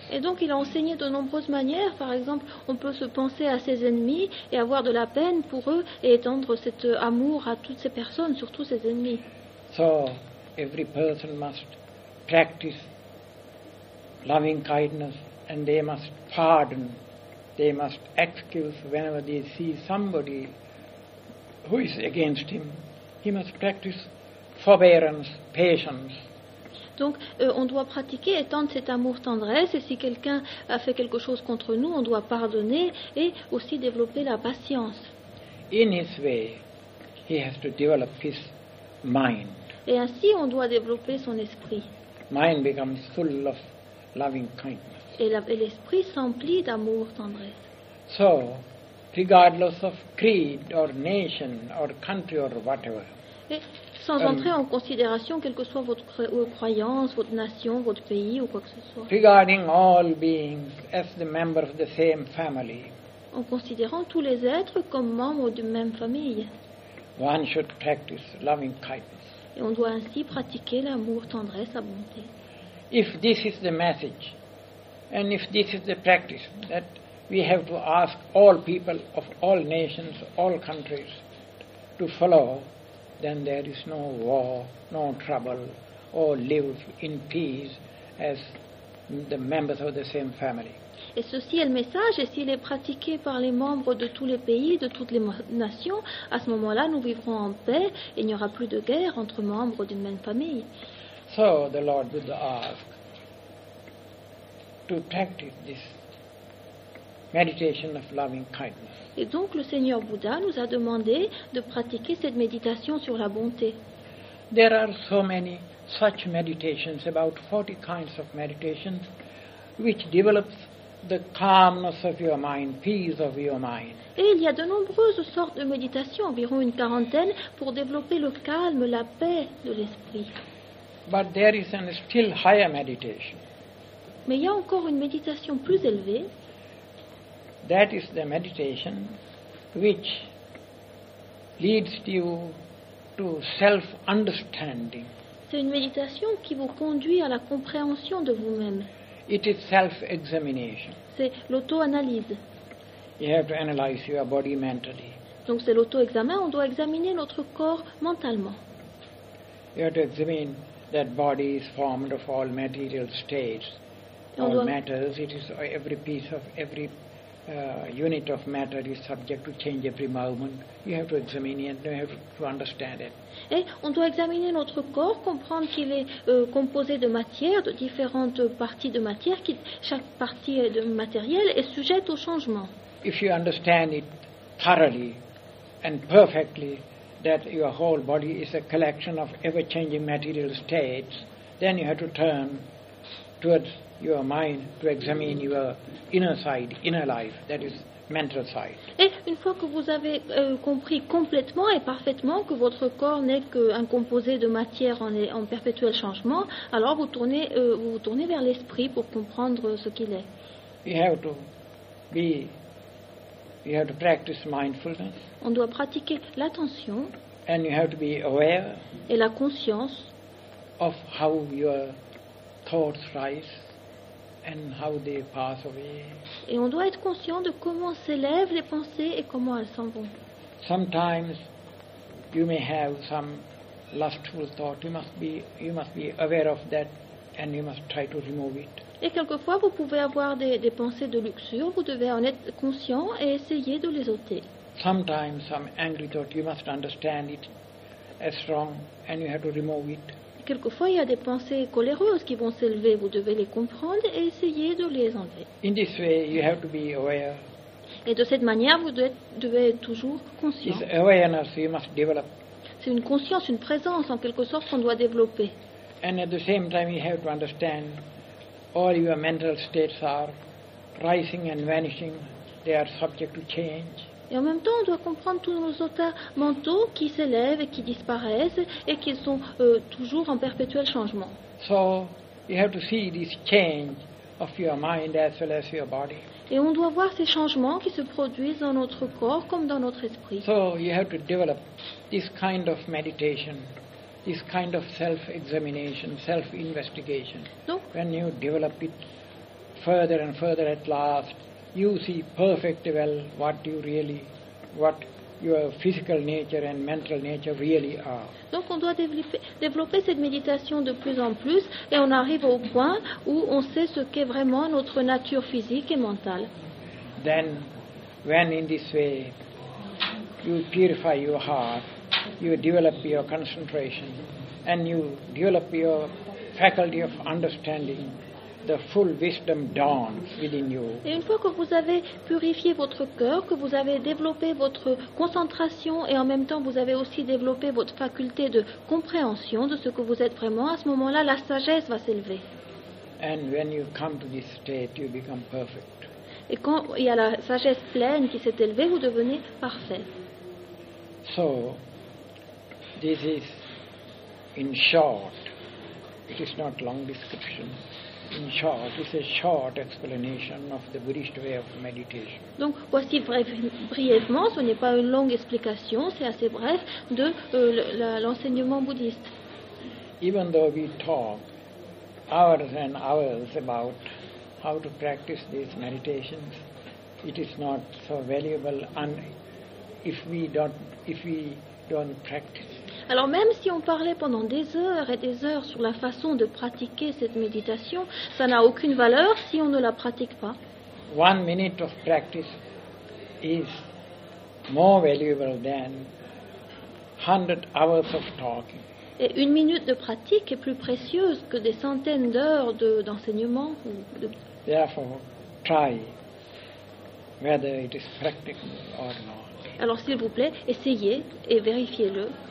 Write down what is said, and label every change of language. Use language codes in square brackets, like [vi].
[fr] Et donc il a enseigné de nombreuses manières. Par exemple, on peut se penser à ses ennemis et avoir de la peine pour eux et étendre cet amour à toutes ces personnes, surtout ses ennemis. [en] So every person must practice loving kindness and they must pardon. They must excuse whenever they see somebody who is against him. He must practice forbearance, patience. [fr] Donc, on doit pratiquer, étendre cet amour tendresse. Et si quelqu'un a fait quelque chose contre nous, on doit pardonner et aussi développer la patience. [en] In his way, he has to develop his mind. [fr] Et ainsi, on doit développer son esprit. [en] Mind becomes full of loving kindness. [fr] Et l'esprit s'emplit d'amour tendresse. [en] So, regardless of creed or nation or country or whatever. [fr] Et sans entrer en considération quelle que soit votre croyance, votre nation, votre pays ou quoi que ce soit. [en] Regarding all beings as the members of the same family. [fr] En considérant tous les êtres comme membres d'une même famille. [en] One should practice loving kindness. [fr] Et on doit ainsi pratiquer l'amour tendresse, la bonté. [en] If this is the message. And if this is the practice that we have to ask all people of all nations, all countries to follow, then there is no war, no trouble, or live in peace as the members of the same family. [fr] Et ceci est le message, et s'il est pratiqué par les membres de tous les pays, de toutes les nations, à ce moment-là, nous vivrons en paix, et il n'y aura plus de guerre entre membres d'une même famille. [en] So the Lord Buddha asked, to practice this meditation of loving kindness. [fr] Et donc le Seigneur Bouddha nous a demandé de pratiquer cette méditation sur la bonté. [en] There are so many such meditations, about 40 kinds of meditations, which develops the calmness of your mind, peace of your mind. [fr] Et il y a de nombreuses sortes de méditations, environ une quarantaine, pour développer le calme, la paix de l'esprit. [en] But there is a still higher meditation. [fr] Mais il y a encore une méditation plus élevée. [en] That is the meditation which leads you to self-understanding. [fr] C'est une méditation qui vous conduit à la compréhension de vous-même. [en] It is self-examination. [fr] C'est l'auto-analyse. [en] You have to analyze your body mentally. [fr] Donc c'est l'auto-examen, on doit examiner notre corps mentalement. [en] You have to examine that body is formed of all material states. All matters, it is every piece of every unit of matter is subject to change every moment. You have to examine it, you have to understand it. [fr] Et on doit examiner notre corps, comprendre qu'il est composé de matière, de différentes parties de matière, qui chaque partie de matériel est sujette au changement. [en] If you understand it thoroughly and perfectly, that your whole body is a collection of ever-changing material states, then you have to turn towards your mind to examine your inner side, inner life, that is mental side. [fr] Et une fois que vous avez compris complètement et parfaitement que votre corps n'est qu'un composé de matière en perpétuel changement, alors vous tournez vers l'esprit pour comprendre ce qu'il est. [en] You have to practice mindfulness. [fr] On doit pratiquer l'attention. [en] And you have to be aware. [fr] Et la conscience. [en] Of how your thoughts rise and how they pass away. [fr] Et on doit être conscient de comment s'élèvent les pensées et comment elles s'en vont. [en] Sometimes you may have some lustful thought. You must be aware of that, and you must try to remove it. [fr] Et quelquefois, vous pouvez avoir des pensées de luxure. Vous devez en être conscient et essayer de les ôter. [en] Sometimes some angry thought. You must understand it as wrong, and you have to remove it. [fr] Quelquefois, il y a des pensées coléreuses qui vont s'élever. Vous devez les comprendre et essayer de les enlever. [en] In this way, you have to be aware. [fr] Et de cette manière, vous devez être toujours conscient. [en] It's awareness you must develop. [fr] C'est une conscience, une présence, en quelque sorte, qu'on doit développer. [en] And at the same time, you have to understand all your mental states are rising and vanishing. They are subject to change. [fr] Et en même temps, on doit comprendre tous nos états mentaux qui s'élèvent et qui disparaissent et qui sont toujours en perpétuel changement. [en] So, you have to see this change of your mind as well as your body. [fr] Et on doit voir ces changements qui se produisent dans notre corps comme dans notre esprit. [en] So, you have to develop this kind of meditation, this kind of self-examination, self-investigation. [fr] Donc, [en] when you develop it further and further at last, you see perfectly well what your physical nature and mental nature really are. [fr] Donc on doit développer cette méditation de plus en plus et on arrive au point où on sait ce qu'est vraiment notre nature physique et mentale. [en] Then, when in this way you purify your heart, you develop your concentration and you develop your faculty of understanding, the full wisdom dawns within you. [fr] Et une fois que vous avez purifié votre cœur, que vous avez développé votre concentration et en même temps vous avez aussi développé votre faculté de compréhension de ce que vous êtes vraiment, à ce moment-là, la sagesse va s'élever. [en] And when you come to this state, you become perfect. [fr] Et quand il y a la sagesse pleine qui s'est élevée, vous devenez parfait. [en] So, this is, in short, it is not long description. In short, it's a short explanation of the Buddhist way of meditation. [fr] Donc, voici brièvement, ce n'est pas une longue explication, c'est assez bref, de l'enseignement bouddhiste. [en] Even though we talk hours and hours about how to practice these meditations, it is not so valuable if we don't practice. [fr] Alors même si on parlait pendant des heures et des heures sur la façon de pratiquer cette méditation, ça n'a aucune valeur si on ne la pratique pas. [en] One minute of practice is more valuable than 100 hours of talking. [fr] Et une minute de pratique est plus précieuse que des centaines d'heures d'enseignement. [en] Therefore, try whether it is practical or not. [fr] Alors s'il vous plaît, essayez et vérifiez-le.